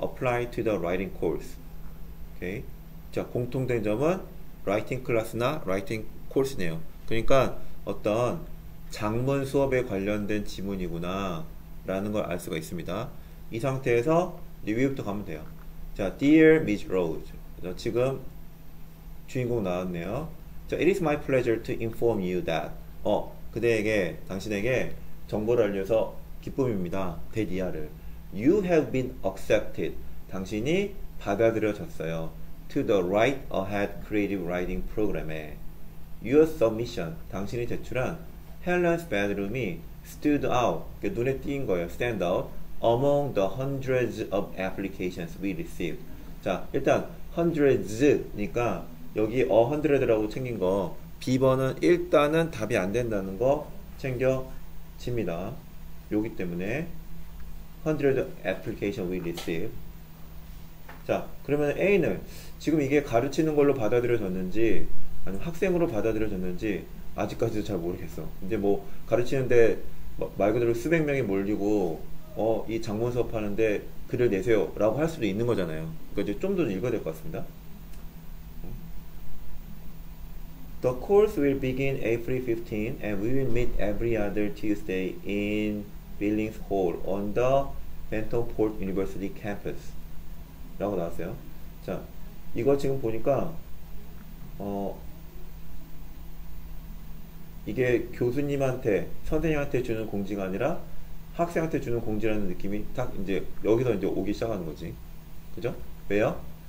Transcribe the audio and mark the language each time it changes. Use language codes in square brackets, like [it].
[en] Apply to the writing course. [ko] 오케이. 자, 공통된 점은 [en] writing class나 writing course네요. [ko] 그러니까 어떤 장문 수업에 관련된 지문이구나 라는 걸알 수가 있습니다. 이 상태에서 리뷰부터 가면 돼요. 자, [en] Dear Miss Rose. [ko] 자, 지금 주인공 나왔네요. 자, [en] It is my pleasure to inform you that. [ko] 그대에게, 당신에게 정보를 알려서 기쁨입니다. 대디아를. [en] You have been accepted. [ko] 당신이 받아들여졌어요. [en] To the Write Ahead Creative Writing Program에. Your submission. [ko] 당신이 제출한 [en] Helen's bedroom이 stood out. [ko] 눈에 띈 거예요. [en] Stand out. Among the hundreds of applications we received. [ko] 자, 일단, hundreds니까, 여기 hundred라고 챙긴 거, B번은 일단은 답이 안 된다는 거 챙겨집니다. 여기 때문에, hundred application we received. 자, 그러면 A는 지금 이게 가르치는 걸로 받아들여졌는지, 아니면 학생으로 받아들여졌는지, 아직까지도 잘 모르겠어. 이제 뭐, 가르치는데, 말 그대로 수백 명이 몰리고, 이 장문 수업하는데 글을 내세요 라고 할 수도 있는 거잖아요. 그러니까 이제 좀더 읽어야 될것 같습니다. [en] The course will begin April 15th and we will meet every other Tuesday in Billings Hall on the Bentonport University campus 라고 나왔어요. [ko] 자, 이거 지금 보니까 이게 교수님한테 선생님한테 주는 공지가 아니라 학생한테 주는 공지라는 느낌이 딱 이제 여기서 이제 오기 시작하는 거지. 그죠? 왜요?